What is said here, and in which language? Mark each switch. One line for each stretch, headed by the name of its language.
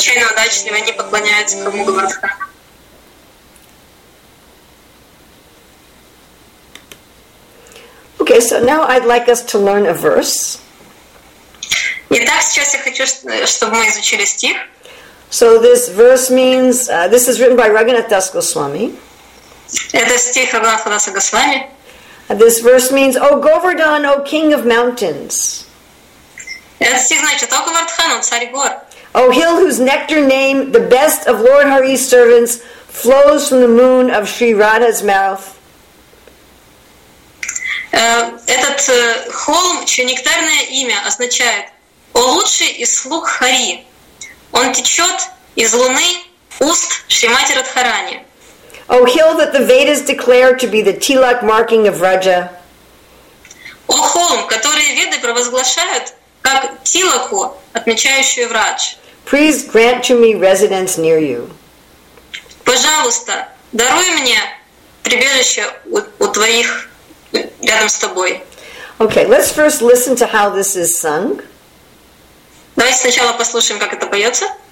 Russian: удачливы, они поклоняются кому говорят.
English: Okay, so now I'd like us to learn a verse.
Russian: Итак, сейчас я хочу, чтобы мы изучили стих.
English: So this verse means this is written by Raghunath Das Goswami.
Russian: Это стих Раганатха Даса Госвами.
English: This verse means, "O Govardhan, O King of Mountains."
Russian: Этот стих значит, "О Говардхан, царь гор."
English: O hill whose nectar name, the best of Lord Hari's servants, flows from the moon of Sri Radha's mouth.
Russian: Этот холм, чье нектарное имя означает «О лучший из слуг Хари!» Он течет из луны уст Шримати Радхарани.
English: «О hill that the Vedas declare to be the tilak marking of Raja!»
Russian: «О холм, который Веды провозглашают как тилаку, отмечающую врач!»
English: «Please grant to me residence near you!»
Russian: «Пожалуйста, даруй мне прибежище у твоих рядом с тобой».
English: Okay, let's first listen to how this is sung.
Russian: Давайте сначала послушаем, как это поется.